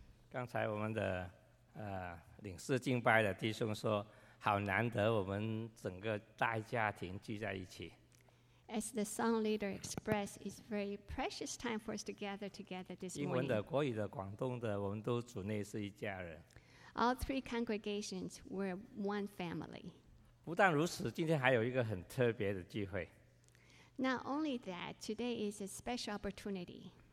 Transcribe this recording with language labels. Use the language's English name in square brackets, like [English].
[Chinese] 刚才我们的领事敬拜的弟兄说，好难得我们整个大家庭聚在一起。 [English] As the song leader expressed, it's a very precious time for us to gather together this morning. [Chinese] 英文的、国语的、广东的，我们都主内是一家人。 [English] All three congregations were one family. [Chinese] 不但如此，今天还有一个很特别的机会。 [English] Not only that, today is a special opportunity.